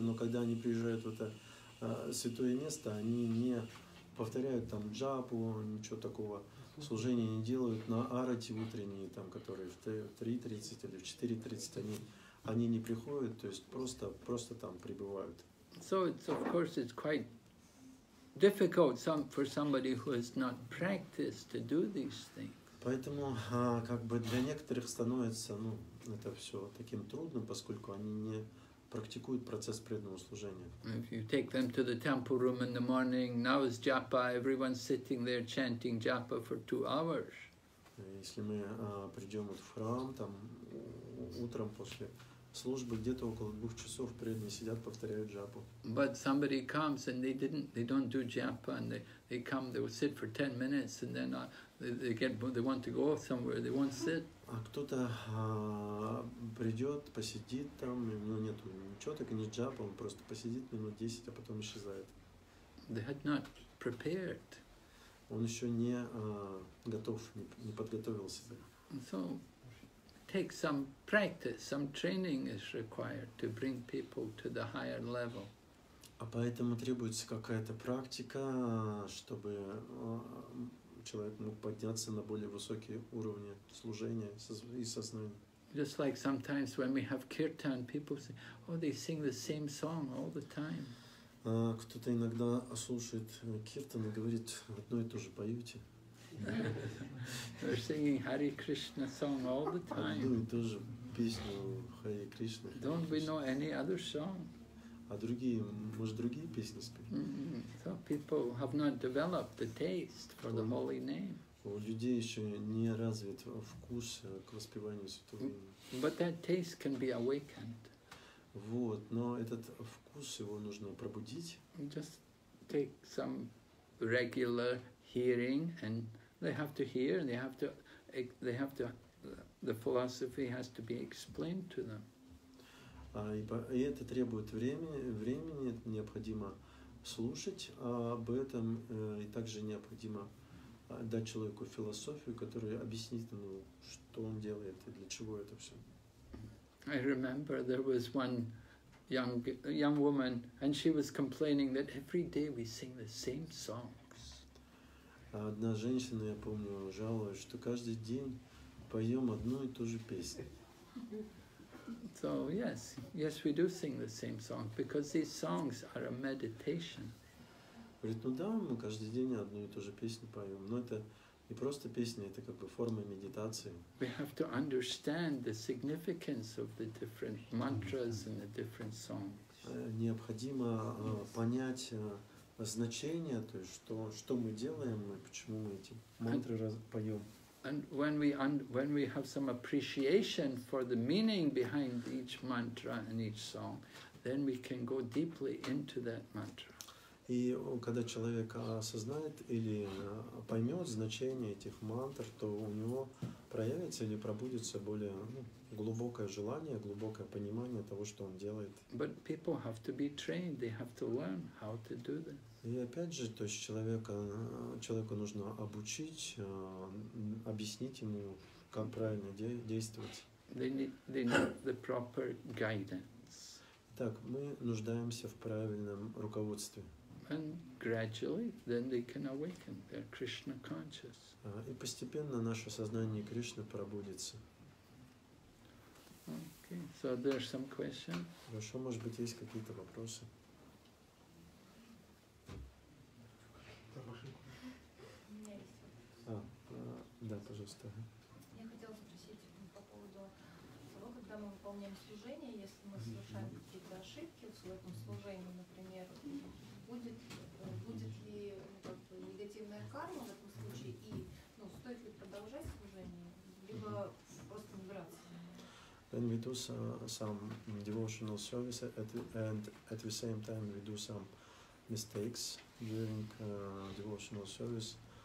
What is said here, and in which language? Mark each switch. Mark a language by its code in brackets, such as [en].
[ru] Но когда они приезжают в это святое место, они не повторяют там джапу, ничего такого. Служения не делают на арати утренние, там, которые в 3:30 или в 4:30 они. Они не приходят, то есть просто там пребывают. [en] So it's of course it's quite difficult for somebody who has not practiced to do these things. [ru] Поэтому как бы для некоторых становится, ну, это все таким трудным, поскольку они не практикуют процесс преданного служения. [en] If you take them to the temple room in the morning, now is japa, everyone's sitting there chanting japa for 2 hours. [ru] Если мы придем в храм, там утром после службы где-то около 2 часов преданные сидят, повторяют джапу. [en] But somebody comes and they don't do japa and they come, they will sit for 10 minutes and then they want to go somewhere, they won't sit. [ru] А кто-то придет, посидит там, у него нет ничего, так и не джапа, он просто посидит 10 минут, а потом исчезает. [en] They had not prepared. [ru] Он еще не готов, не подготовился. [en] So, takes some practice, some training is required to bring people to the higher level. [ru] А поэтому требуется какая-то практика, чтобы человек мог подняться на более высокие уровни служения и сознания. [en] Just like sometimes when we have kirtan, people say, oh, they sing the same song all the time. [ru] Кто-то иногда слушает киртан и говорит, одно и то же поете. [en] They're singing Hare Krishna song all the time. [ru] Одну и ту же песню Hare Krishna. [en] Don't we know any other song? [ru] А другие, может, другие песни спели? [en] So people have not developed the taste for the holy name. [ru] У людей еще не развит вкус к воспеванию святого имени. [en] But that taste can be awakened. [ru] Вот, но этот вкус, его нужно пробудить. [en] Just take some regular hearing, and they have to hear, and they have to, the philosophy has to be explained to them. [ru] И это требует времени, это необходимо слушать об этом, и также необходимо дать человеку философию, которая объяснит ему, что он делает и для чего это все. [en] I remember there was one young woman, and she was complaining that every day we sing the same songs. [ru] Одна женщина, я помню, жаловалась, что каждый день поем одну и ту же песню. [en] So yes, we do sing the same song because these songs are a meditation. [ru] Говорит, ну да, мы каждый день одну и ту же песню поем, но это не просто песня, это как бы форма медитации. [en] We have to understand the significance of the different mantras and the different songs. [ru] Необходимо понять значение, то есть что мы делаем и почему мы эти мантры поем. [en] And when we have some appreciation for the meaning behind each mantra and each song, then we can go deeply into that mantra. [ru] И когда человек осознает или поймет значение этих мантр, то у него проявится или пробудится более глубокое желание, глубокое понимание того, что он делает. [en] But people have to be trained, they have to learn how to do this. [ru] И опять же, то есть человеку нужно обучить, объяснить ему, как правильно действовать. [en] They need the proper guidance. [ru] Так, мы нуждаемся в правильном руководстве. [en] And gradually, then they can awaken their Krishna conscious. [ru] И постепенно наше сознание Кришны пробудится. [en] Okay, so there's some questions. [ru] Хорошо, может быть, есть какие-то вопросы? Да, пожалуйста. Я хотела спросить по поводу того, когда мы выполняем служение, если мы совершаем какие-то ошибки в своем служении, например, будет ли негативная карма в этом случае, и стоит ли продолжать служение, либо просто убираться? [en] Then we do some devotional service and at the same time we do some mistakes during devotional service.